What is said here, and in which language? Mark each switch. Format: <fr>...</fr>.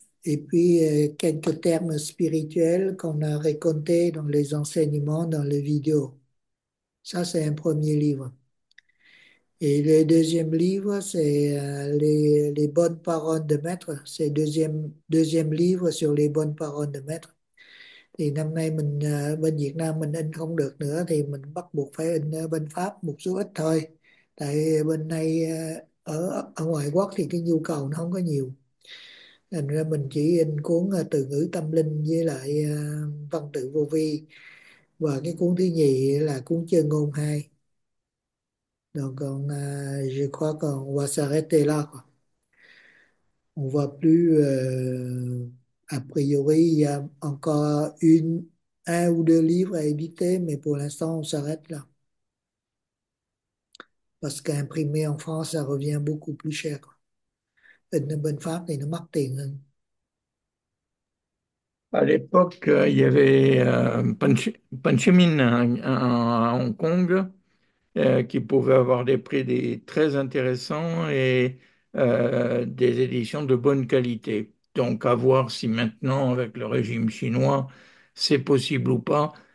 <fr>Et puis quelques termes spirituels qu'on a racontés dans les enseignements, dans les vidéos. Ça, c'est un premier livre. Et le deuxième livre, c'est les bonnes paroles de maître. C'est deuxième livre sur les bonnes paroles de maître.</fr> <vi>Thì năm nay mình bên Việt Nam mình in không được nữa, thì mình bắt buộc phải in bên Pháp một số ít thôi. Tại bên này ở ngoại quốc thì cái nhu cầu nó không có nhiều, thành ra mình chỉ in cuốn Từ ngữ tâm linh với lại Văn tự vô vi, và cái cuốn thứ nhì là cuốn Chơn ngôn hai, rồi còn</vi> <fr>je crois qu'on va s'arrêter là</fr> <vi>on va plus a priori encore une un ou deux livres à éditer, mais pour l'instant on s'arrête là.</vi> <fr>Parce qu'imprimer en France, ça revient beaucoup plus cher.</fr> <vi>Et bên Pháp thì nó mắc tiền hơn.</vi> <fr>À l'époque, il y avait Panchamine à Hong Kong qui pouvait avoir des prix très intéressants et des éditions de bonne qualité. Donc, à voir si maintenant, avec le régime chinois, c'est possible ou pas.</fr>